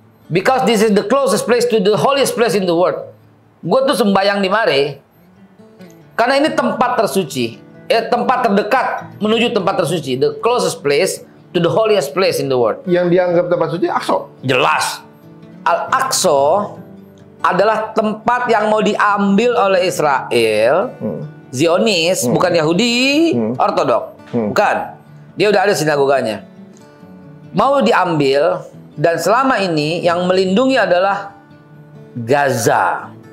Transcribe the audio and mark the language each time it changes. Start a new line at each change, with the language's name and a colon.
English: Because this is the closest place to the holiest place in the world.
Indonesian: Gua tuh sembayang di mare. Karena ini tempat tersuci. Tempat terdekat menuju tempat tersuci.
English: The closest place to the holiest place in the world.
Indonesian: Yang dianggap tempat suci, Aqsa. Jelas. Al-Aqsa adalah tempat yang mau diambil oleh Israel. Zionis, bukan Yahudi, Ortodok. Bukan. Dia udah ada sinagoganya. Mau diambil, dan selama ini yang melindungi adalah Gaza.